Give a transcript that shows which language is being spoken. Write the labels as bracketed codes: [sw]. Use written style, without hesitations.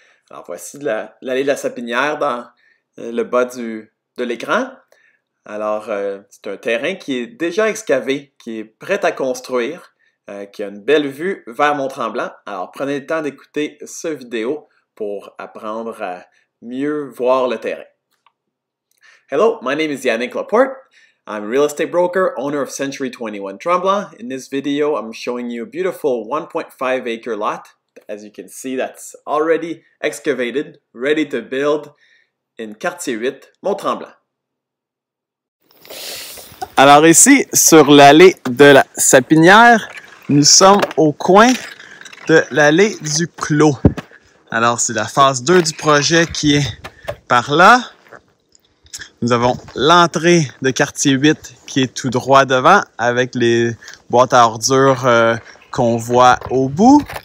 [fr] Alors voici l'allée de la Sapinière dans le bas de l'écran. Alors, c'est un terrain qui est déjà excavé, qui est prêt à construire. Qui a une belle vue vers Mont-Tremblant. Alors, prenez le temps d'écouter cette vidéo pour apprendre à mieux voir le terrain. [en] Hello, my name is Yannick Laporte. I'm a real estate broker, owner of Century 21 Tremblant. In this video, I'm showing you a beautiful 1.5 acre lot. As you can see, that's already excavated, ready to build in quartier 8, Mont-Tremblant. [fr] Alors, ici, sur l'allée de la Sapinière, nous sommes au coin de l'allée du Clos. Alors, c'est la phase 2 du projet qui est par là. Nous avons l'entrée de quartier 8 qui est tout droit devant avec les boîtes à ordures qu'on voit au bout.